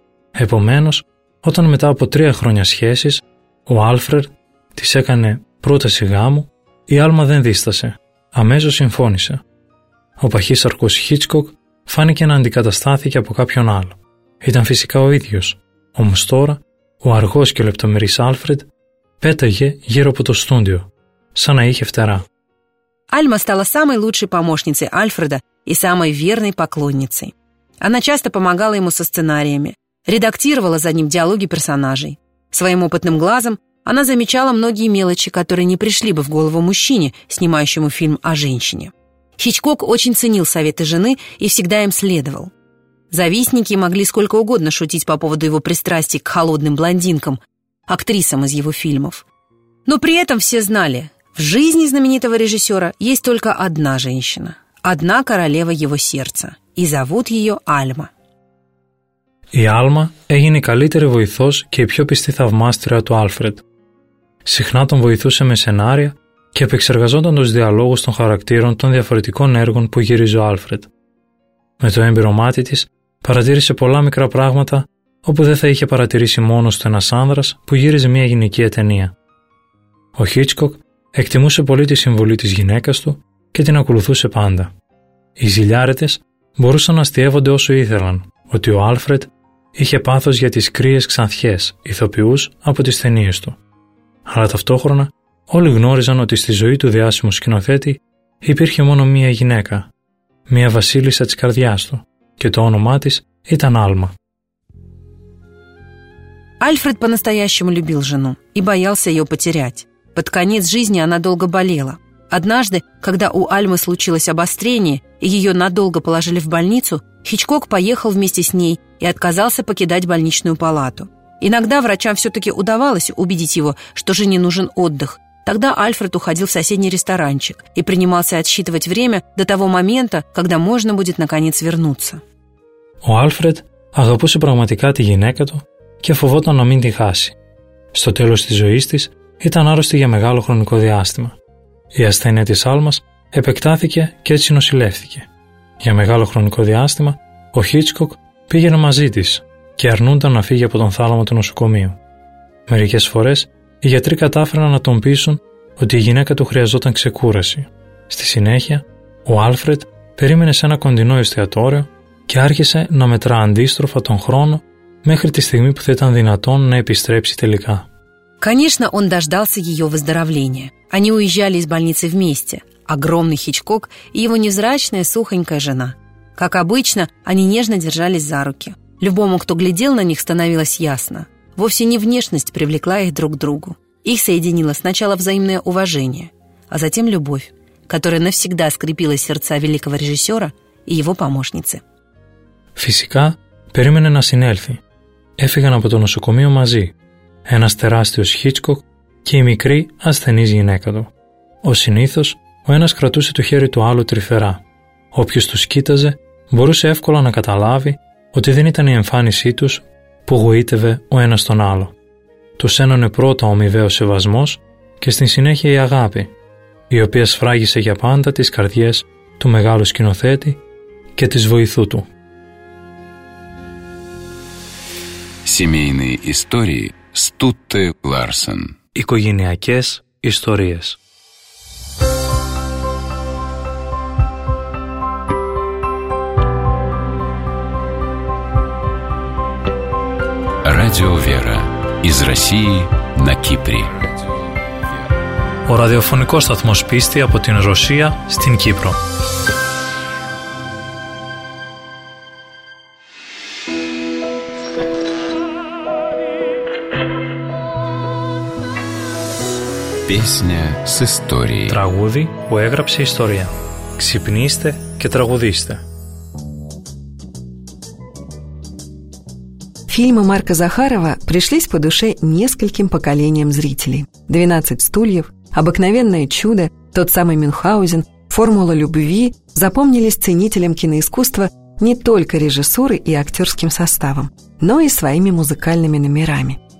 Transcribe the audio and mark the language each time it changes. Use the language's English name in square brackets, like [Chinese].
[Greek] Επομένως, όταν μετά από 3 χρόνια σχέσης, ο Άλφρεντ της έκανε πρόταση γάμου, η Άλμα δεν δίστασε. Αμέσως συμφώνησε. Ο παχύσαρκος Χίτσκοκ φάνηκε να αντικαταστάθηκε από κάποιον άλλο. Ήταν φυσικά ο ίδιος. Όμως τώρα, ο αργός και λεπτομερής Άλφρεντ πέταγε γύρω από το στούντιο, σαν να είχε φτερά. [Russian] Άλμα стала самой лучшей помощницей Альфреда и самой верной поклонницей. Она часто помогала ему со сценариями, редактировала за ним диалоги персонажей. Своим опытным глазом она замечала многие мелочи, которые не пришли бы в голову мужчине, снимающему фильм о женщине. Хичкок очень ценил советы жены и всегда им следовал. Завистники могли сколько угодно шутить по поводу его пристрастий к холодным блондинкам, актрисам из его фильмов. Но при этом все знали, в жизни знаменитого режиссера есть только одна женщина. Одна королева его сердца. И зовут ее Альма. [Greek] Η Άλμα έγινε η καλύτερη βοηθός και η πιο πιστή θαυμάστρια του Άλφρεντ. Συχνά τον βοηθούσε με σενάρια και επεξεργαζόταν τους διαλόγους των χαρακτήρων των διαφορετικών έργων που γύριζε ο Άλφρεντ. Με το έμπειρο μάτι της παρατήρησε πολλά μικρά πράγματα όπου δεν θα είχε παρατηρήσει μόνος του ένας άνδρας που γύριζε μια γυναικεία ταινία. Ο Χίτσκοκ εκτιμούσε πολύ τη συμβολή της γυναίκας του και την ακολουθούσε πάντα. Οι ζηλιάρετες μπορούσαν να αστειεύονται όσο ήθελαν ότι ο Άλφρεντ είχε πάθος για τις κρύες ξανθιές, ηθοποιούς από τις ταινίες του. Αλλά ταυτόχρονα όλοι γνώριζαν ότι στη ζωή του διάσημου σκηνοθέτη υπήρχε μόνο μία γυναίκα, μία βασίλισσα της καρδιάς του και το όνομά της ήταν Άλμα. [Russian] Άλφρεντ по-настоящему любил жену и боялся ее потерять. Под конец жизни она долго болела. Однажды, когда у Альмы случилось обострение и ее надолго положили в больницу, Хичкок поехал вместе с ней и отказался покидать больничную палату. Иногда врачам все-таки удавалось убедить его, что жене нужен отдых. Тогда Альфред уходил в соседний ресторанчик и принимался отсчитывать время до того момента, когда можно будет наконец вернуться. [Greek] У Альфред агапусе прагматика ти гинека ту και φοβόταν να μην την χάσει. Στο τέλος της ζωής της ήταν άρρωστη για μεγάλο χρονικό διάστημα. Η ασθένεια της Άλμας επεκτάθηκε και έτσι νοσηλεύθηκε. Για μεγάλο χρονικό διάστημα ο Χίτσκοκ πήγαινε μαζί της και αρνούνταν να φύγει από τον θάλαμο του νοσοκομείου. Μερικές φορές οι γιατροί κατάφεραν να τον πείσουν ότι η γυναίκα του χρειαζόταν ξεκούραση. Στη συνέχεια, ο Άλφρεντ περίμενε σε ένα κοντινό εστιατόριο και άρχισε να μετρά αντίστροφα τον χρόνο μέχρι τη στιγμή που θα ήταν δυνατόν να επιστρέψει τελικά. [Russian] Конечно, он дождался её выздоровления. Они уезжали из больницы вместе. Огромный Хичкок и его невзрачная сухонькая жена. Как обычно, они нежно держались за руки. Любому, кто глядел на них, становилось ясно. Вовсе не внешность привлекла их друг к другу. Их соединило сначала взаимное уважение, а затем любовь, которая навсегда скрепила сердца великого режиссера и его помощницы. [Greek] Физика, перемене на синельфи. Эфиган από το νοσοκομείο μαζί. Ένας τεράστιος Χίτσκοκ και η μικρή ασθενής γυναίκα του. Ως συνήθως, ο ένας κρατούσε το χέρι του άλλου τρυφερά. Όποιος τους κοίταζε, μπορούσε εύκολα να καταλάβει ότι δεν ήταν η εμφάνισή τους που γοήτευε ο ένας τον άλλο. Τους ένωνε πρώτα ο αμοιβαίος σεβασμός και στη συνέχεια η αγάπη, η οποία σφράγισε για πάντα τις καρδιές του μεγάλου σκηνοθέτη και της βοηθού του. [Russian] Семейные истории Стутте Ларсен. [Greek] Οικογενειακές ιστορίες. [Russian] Радио Вера. Из России на Кипре. [Greek] Ο ραδιοφωνικός σταθμός πίστη από την Ρωσία στην Κύπρο. [Russian] Песня с историей. [Greek] Τραγούδι που έγραψε ιστορία. Ξυπνήστε και τραγουδήστε. [Russian] Фильмы Марка Захарова пришлись по душе нескольким поколениям зрителей. «12 стульев», «Обыкновенное чудо», «Тот самый Мюнхгаузен», «Формула любви» запомнились ценителям киноискусства не только режиссурой и актерским составом, но и своими музыкальными номерами.